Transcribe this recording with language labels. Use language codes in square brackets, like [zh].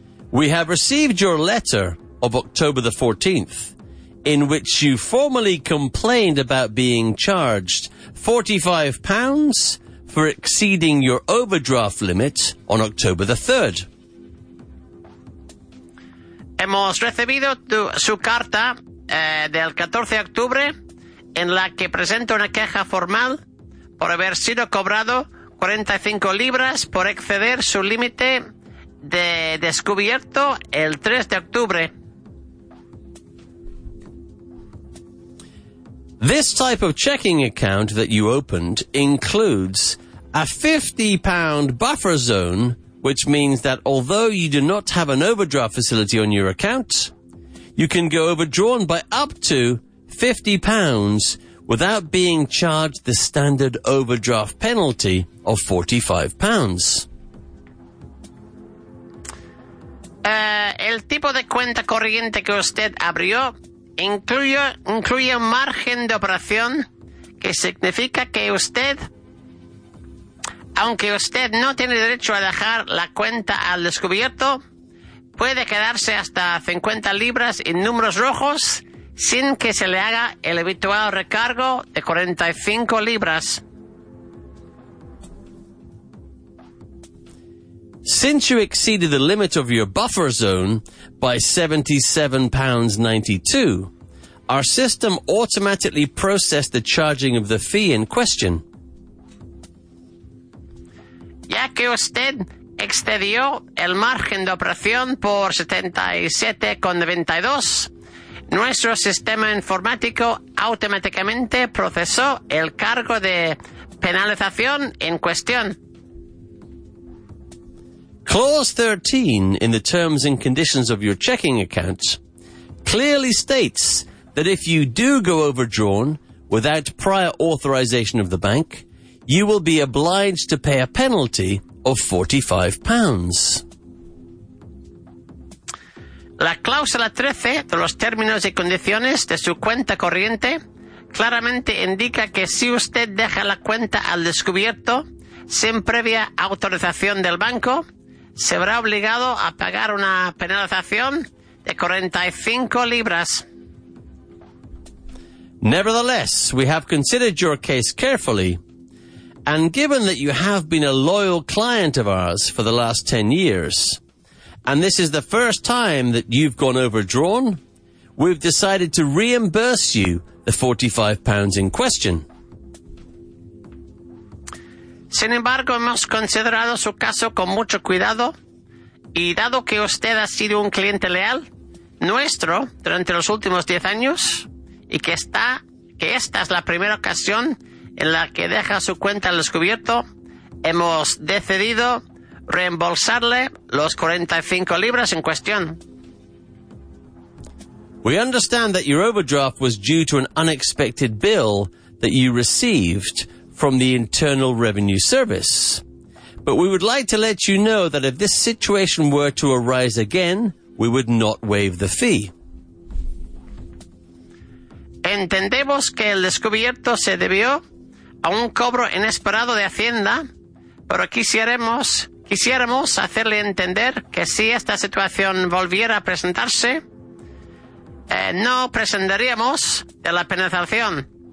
[en] We have received your letter of October the 14th. In which you formally complained about being charged £45 for exceeding your overdraft limit on October the 3rd. [es] Hemos recibido su carta del 14 de octubre en la que presenta una queja formal por haber sido cobrado 45 libras por exceder su límite de descubierto el 3 de octubre. [en] This type of checking account that you opened includes a £50 buffer zone, which means that although you do not have an overdraft facility on your account, you can go overdrawn by up to £50 without being charged the standard overdraft penalty of £45. [es] El tipo de cuenta corriente que usted abrió incluye un margen de operación que significa que usted, aunque usted no tiene derecho a dejar la cuenta al descubierto, puede quedarse hasta 50 libras en números rojos sin que se le haga el habitual recargo de 45 libras. [en] Since you exceeded the limit of your buffer zone by £77.92, our system automatically processed the charging of the fee in question. [es] Ya que usted excedió el margen de operación por 77.92, nuestro sistema informático automáticamente procesó el cargo de penalización en cuestión. [en] Clause 13 in the terms and conditions of your checking account clearly states that if you do go overdrawn without prior authorization of the bank, you will be obliged to pay a penalty of £45. [es] La cláusula 13 de los términos y condiciones de su cuenta corriente claramente indica que si usted deja la cuenta al descubierto sin previa autorización del banco, se verá obligado a pagar una penalización de 45 libras. [en] Nevertheless, we have considered your case carefully, and given that you have been a loyal client of ours for the last 10 years, and this is the first time that you've gone overdrawn, we've decided to reimburse you the £45 in question. [es] Sin embargo, hemos considerado su caso con mucho cuidado, y dado que usted ha sido un cliente leal nuestro durante los últimos 10 años, y que está, que esta es la primera ocasión en la que deja su cuenta al descubierto, hemos decidido reembolsarle los 45 libras en cuestión. [en] We understand that your overdraft was due to an unexpected bill that you received from the Internal Revenue Service. But we would like to let you know that if this situation were to arise again, we would not waive the fee. [es] Entendemos que el descubierto se debió a un cobro inesperado de Hacienda, pero quisiéramos hacerle entender que si esta situación volviera a presentarse, no prescindiríamos de la penalización.